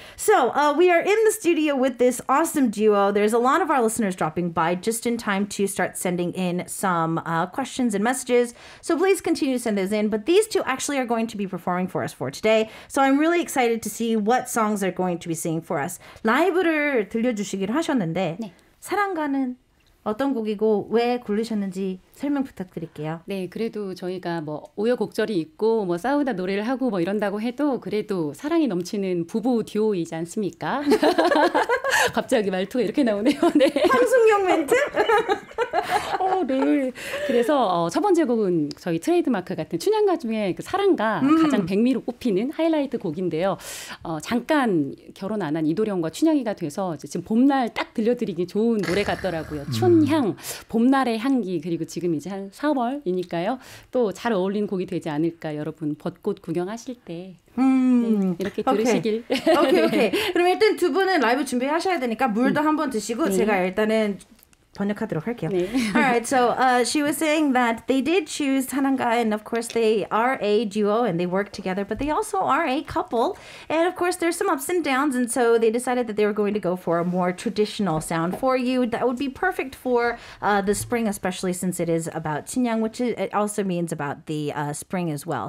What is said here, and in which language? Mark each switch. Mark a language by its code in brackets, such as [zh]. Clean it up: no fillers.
[en] So we are in the studio with this awesome duo. There's a lot of our listeners dropping by just in time to start sending in some questions and messages. So please continue to send those in. But these two actually are going to be performing for us for today. So I'm really excited to see what songs they're going to be singing for us. [ko] 라이브를 들려주시기로 하셨는데 네. 사랑가는 어떤 곡이고 왜 고르셨는지 설명 부탁드릴게요. 네, 그래도 저희가 뭐 우여곡절이 있고 뭐 싸우다 노래를 하고 뭐 이런다고 해도 그래도 사랑이 넘치는 부부 듀오이지 않습니까? 갑자기 말투가 이렇게 나오네요. 네. 황승용 멘트? 네. 그래서 첫 번째 곡은 저희 트레이드마크 같은 춘향가 중에 그 사랑가 가장 백미로 꼽히는 하이라이트 곡인데요. 잠깐 결혼 안 한 이도령과 춘향이가 돼서 이제 지금 봄날 딱 들려드리기 좋은 노래 같더라고요. 춘향, 봄날의 향기 그리고 지금 이제 한 4월이니까요. 또 잘 어울리는 곡이 되지 않을까 여러분 벚꽃 구경하실 때 이렇게 들으시길. [en] 오케이 오케이. [ko] 그럼 일단 두 분은 라이브 준비하셔야 되니까 물도 한번 드시고 제가 일단은 번역하도록 할게요. 네. [en] All right, so she was saying that they did choose 사랑가, and of course they are a duo and they work together, but they also are a couple. And of course there's some ups and downs, and so they decided that they were going to go for a more traditional sound for you. That would be perfect for the spring, especially since it is about 춘향, which it also means about the spring as well.